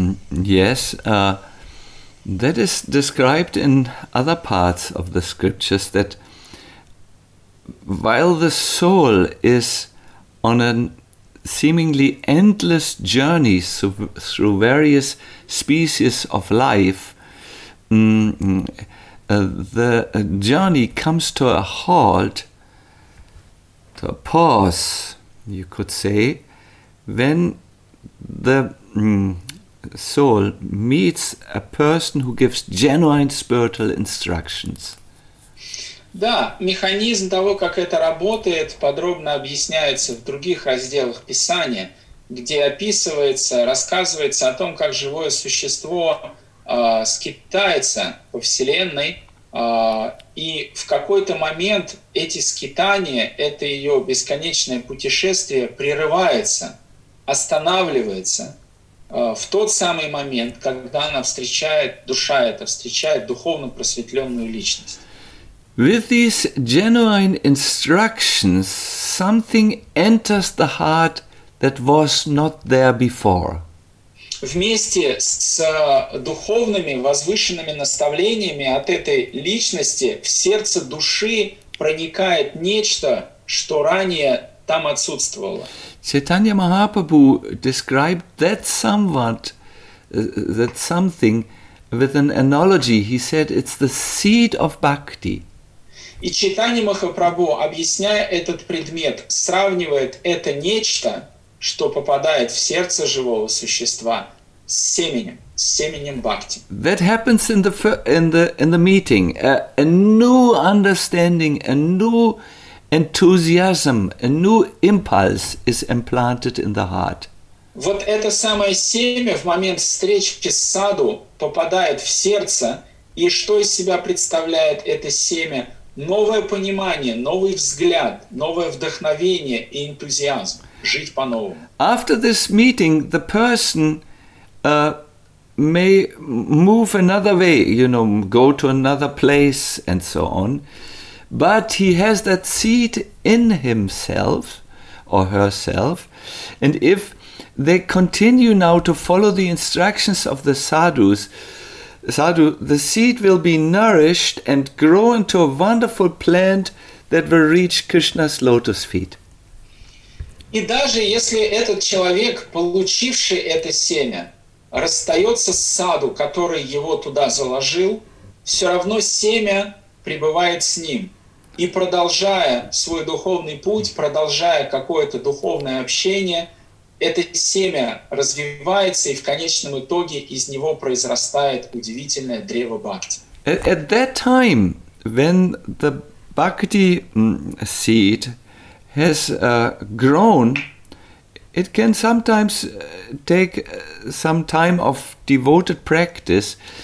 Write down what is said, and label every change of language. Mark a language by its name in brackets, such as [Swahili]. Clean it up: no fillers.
[English] Yes, that is described in other parts of the scriptures that while the soul is on an seemingly endless journey through various species of life, the journey comes to a halt, to a pause, you could say, when the soul meets a person who gives genuine spiritual instructions. [Russian] Да, механизм того, как это работает, подробно объясняется в других разделах Писания, где описывается, рассказывается о том, как живое существо скитается по Вселенной, и в какой-то момент эти скитания, это ее бесконечное путешествие прерывается, останавливается в тот самый момент, когда она встречает, душа эта встречает духовно просветленную личность. [English] With these genuine instructions, something enters the heart that was not there before. [Russian] Вместе с духовными возвышенными наставлениями от этой личности в сердце души проникает нечто, что ранее там отсутствовало. [English] Chaitanya Mahaprabhu described that somewhat, that something, with an analogy. He said it's the seed of bhakti. [Russian] И Чайтанья Махапрабху, объясняя этот предмет, сравнивает это нечто, что попадает в сердце живого существа, с семенем бхакти. [English] That happens in the meeting. A new understanding, a new enthusiasm, a new impulse is implanted in the heart. [Russian] Вот это самое семя в момент встречи с саду попадает в сердце, и что из себя представляет это семя? Новое понимание, новый взгляд, новое вдохновение и энтузиазм жить по-новому. [English] After this meeting, the person may move another way, you know, go to another place and so on, but he has that seed in himself or herself, and if they continue now to follow the instructions of the sadhus, sadhu, the seed will be nourished and grow into a wonderful plant that will reach Krishna's lotus feet. [Russian] И даже если этот человек, получивший это семя, расстается с саду, который его туда заложил, все равно семя пребывает с ним. И продолжая свой духовный путь, продолжая какое-то духовное общение, это семя развивается, и в конечном итоге из него произрастает удивительное древо бхакти. [English] At that time, when the bhakti seed has grown, it can sometimes take some time of devoted practice.